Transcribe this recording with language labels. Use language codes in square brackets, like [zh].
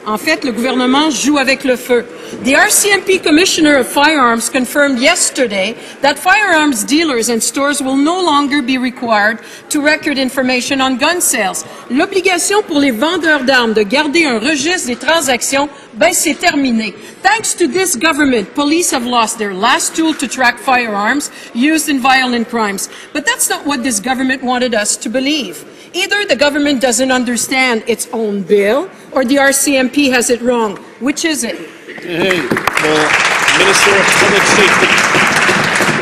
[fr] En fait, le gouvernement joue avec le feu. [en] The RCMP Commissioner of Firearms confirmed yesterday that firearms dealers and stores will no longer be required to record information on gun sales. [fr] L'obligation pour les vendeurs d'armes de garder un registre des transactions, ben c'est terminé. [en] Thanks to this government, police have lost their last tool to track firearms used in violent crimes. But that's not what this government wanted us to believe. Either the government doesn't understand its own bill, or the RCMP has it wrong. Which is it? Minister of Public Safety.